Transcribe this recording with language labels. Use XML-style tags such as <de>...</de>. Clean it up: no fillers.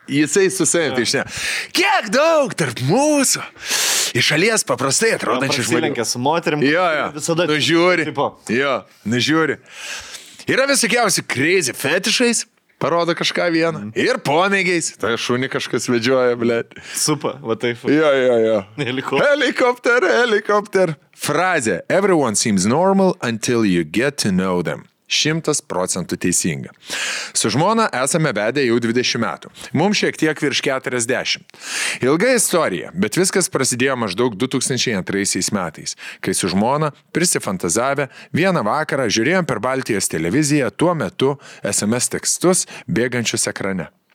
<lt>Jisai susėmė, tai šneka. Kiek daug tarp mūsų iš šalies paprastai atrodančių žmonių. Prasilinkę su moterim. Jo, jo. Visada nužiūri. Taip, jo, nužiūri. Yra visokiausi crazy fetišais, parodo kažką vieną. Ir pomėgiais. Ta šuni kažkas vedžioja, blėt. Supa, va taip. Jo, jo, jo. Helikopter, helikopter.</lt> <en>Frazė, everyone seems normal until you get to know them.</en> <lt>100% teisinga. Su žmona esame vedę jau 20 metų. Mums šiek tiek virš 40. Ilga istorija, bet viskas prasidėjo maždaug 2002 metais, kai su žmona prisifantazavę vieną vakarą žiūrėjom per Baltijos televiziją tuo metu SMS tekstus bėgančius ekrane.</lt>